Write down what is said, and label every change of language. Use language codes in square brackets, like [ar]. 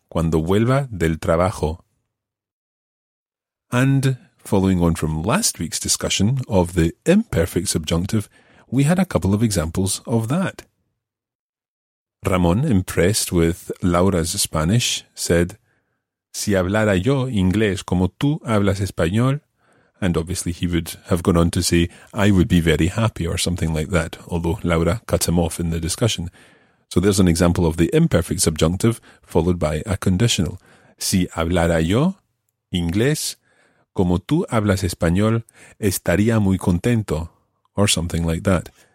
[es] Cuando vuelva del trabajo. [en] And following on from last week's discussion of the imperfect subjunctive, we had a couple of examples of that. Ramón, impressed with Laura's Spanish, said, [es] si hablara yo inglés como tú hablas español, [en] and obviously he would have gone on to say, I would be very happy or something like that, although Laura cut him off in the discussion. So there's an example of the imperfect subjunctive followed by a conditional. [es] Si hablara yo inglés como tú hablas español, estaría muy contento, [en] or something like that.